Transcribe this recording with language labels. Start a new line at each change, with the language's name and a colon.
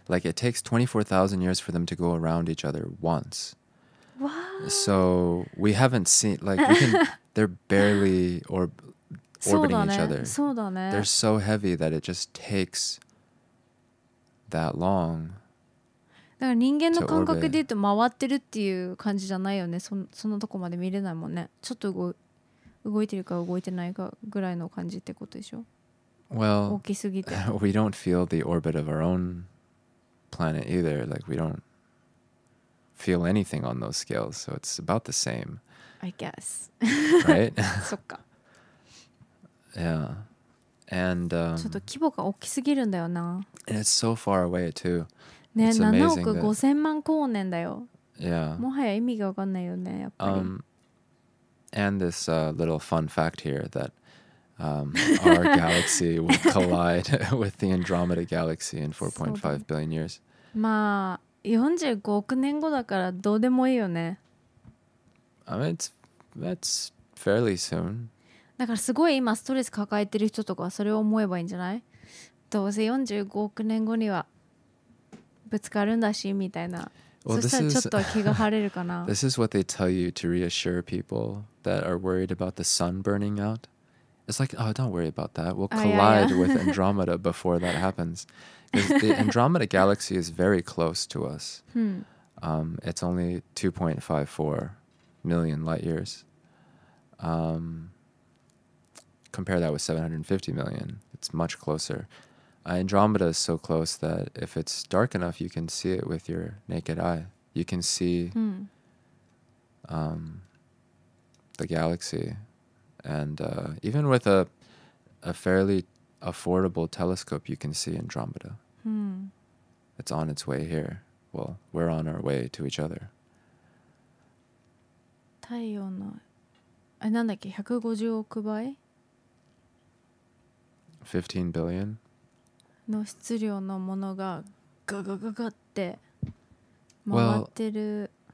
English: Like, it takes 24,000 years for them to go around each other once. What? So we haven't seen... Like, we can, they're barely orbiting each other.
Japanese: そうだね。
English: They're so heavy that it just takes that long...
Japanese: だから人間の感覚で言うと回ってるっていう感じじゃないよね。そのとこまで見れないもんね。ちょっと動いてるか動いてないかぐらいの感じってことでしょ。
English: Well,
Japanese: 大きすぎて。
English: We don't feel the orbit of our own planet either. Like we don't feel anything on those scales. So it's about the same. I guess. Right?
Japanese: そっか。
English: Yeah. And,
Japanese: ちょっと規模が大きすぎるんだよな。
English: And it's so far away too.
Japanese: ね、7億5千万光年だよ。
English: Yeah.
Japanese: もはや意味が分かんないよね、やっぱり。
English: And this little fun fact here that our galaxy will collide with the Andromeda galaxy in 4.5 billion years.
Japanese: まあ、45億年後だからどうでもいいよね。
English: I mean, that's fairly soon.
Japanese: だからすごい今ストレス抱えてる人とかそれを思えばいいんじゃない？どうせ45億年後には。ぶつかるんだしみたいな。そしたらちょっと気が晴れるかな。
English: This is what they tell you to reassure people that are worried about the sun burning out. It's like, oh, don't worry about that. We'll collide with Andromeda before that happens. The Andromeda galaxy is very close to us. It's only 2.54 million light years. Compare that with 750 million. It's much closer. Andromeda is so close that if it's dark enough, you can see it with your naked eye. You can see the galaxy. And even with a fairly affordable telescope, you can see Andromeda. It's on its way here. well, we're on our way to each other.
Japanese: 太陽の、あ、なんだっけ、150億倍?
English: 15 billion?
Japanese: の質量のものがガガガガって回ってる。